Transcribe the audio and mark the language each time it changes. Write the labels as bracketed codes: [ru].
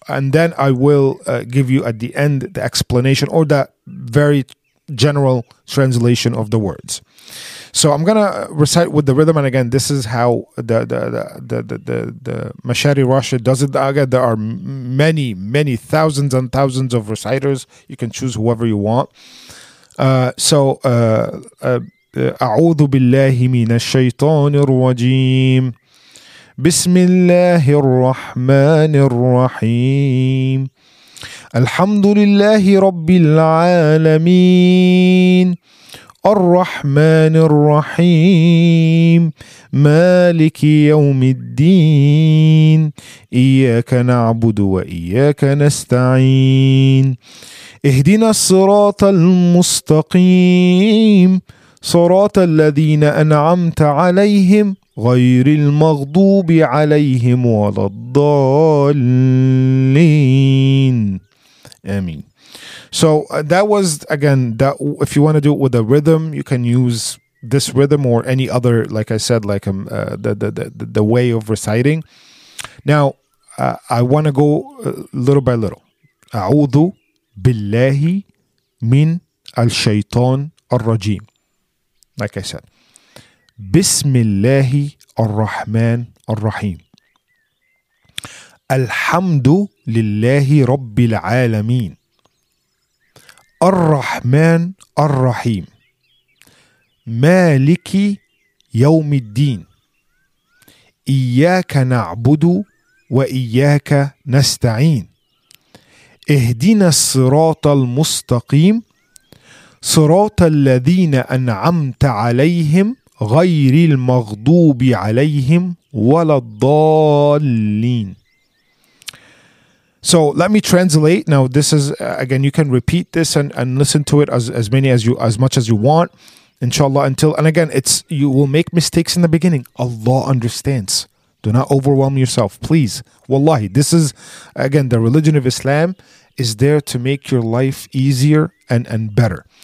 [en] And then I will give you at the end the explanation or that very general translation of the words. So I'm gonna recite with the rhythm, and again, this is how the Mashari Rashid does it. Again, there are many thousands and thousands of reciters. You can choose whoever you want. [ar] أعوذ بالله من الشيطان الرجيم بسم الله الرحمن الرحيم الحمد لله رب العالمين الرحمن الرحيم مالك يوم الدين إياك نعبد وإياك نستعين اهدنا الصراط المستقيم صراط الذين أنعمت عليهم غير المغضوب عليهم ولا الضالين. [en] Amen. So that was, again, that if you want to do it with a rhythm, you can use this rhythm or any other, like I said, like the way of reciting. Now, I want to go little by little. [ar] أعوذ بالله من الشيطان الرجيم. [en] Like I said. [ar] بسم الله الرحمن الرحيم. الحمد لله رب العالمين الرحمن الرحيم مالك يوم الدين إياك نعبد وإياك نستعين اهدنا الصراط المستقيم صراط الذين أنعمت عليهم غير المغضوب عليهم ولا الضالين. [en] So let me translate. Now, this is, again, you can repeat this and listen to it as much as you want, inshallah, until you will make mistakes in the beginning. Allah understands. Do not overwhelm yourself, please. Wallahi, this is, again, the religion of Islam is there to make your life easier and better.